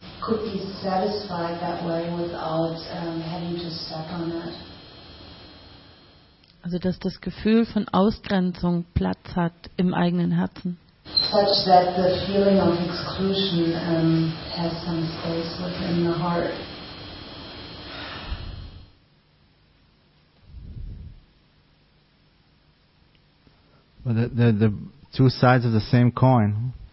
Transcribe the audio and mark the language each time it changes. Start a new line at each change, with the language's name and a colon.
English: could be satisfied that way without having to step on it.
German: Also, dass das Gefühl von Ausgrenzung Platz hat im eigenen Herzen.
English: Such that the feeling of exclusion has some space within the heart. But the two sides of the same coin.